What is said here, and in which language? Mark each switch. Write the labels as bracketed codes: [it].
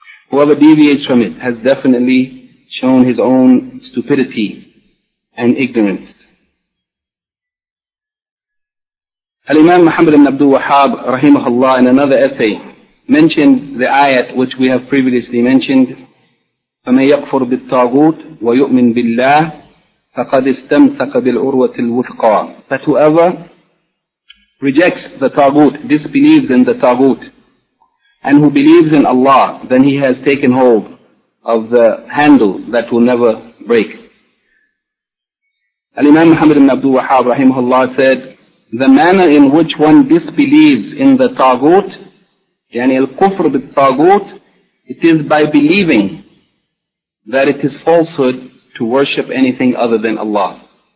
[en] Whoever deviates from it has definitely shown his own stupidity and ignorance. Al-Imam Muhammad ibn Abdul Wahhab, rahimahullah, in another essay, mentioned the ayat which we have previously mentioned, [ar] فَمَنْ يَقْفُرُ بِالطَّاغُوتِ وَيُؤْمِنْ بِاللَّهِ فقد استمسك بالعروة الوثقى. [en] But whoever rejects the taghut, disbelieves in the taghut, and who believes in Allah, then he has taken hold of the handle that will never break. Al-Imam Muhammad ibn Abdul Wahhab rahimahullah said, the manner in which one disbelieves in the taghut, yani al-kufr bil-taghut, it is by believing that it is falsehood to worship anything other than Allah.